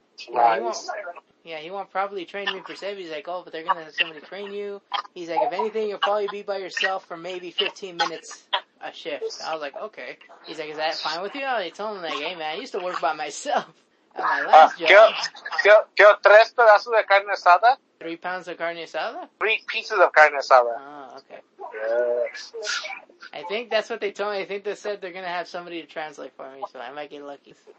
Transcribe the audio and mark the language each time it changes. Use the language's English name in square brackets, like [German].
[English] He won't properly train me per se. He's like, oh, but they're gonna have somebody train you. He's like, if anything, you'll probably be by yourself for maybe 15 minutes a shift. I was like, okay. He's like, is that fine with you? I told him, like, hey, man, I used to work by myself at my last job. [Spanish] ¿Qué tres pedazos de carne asada? [English] 3 pounds of carne asada? 3 pieces of carne asada. Oh, okay. Yes. I think that's what they told me. I think they said they're going to have somebody to translate for me, so I might get lucky.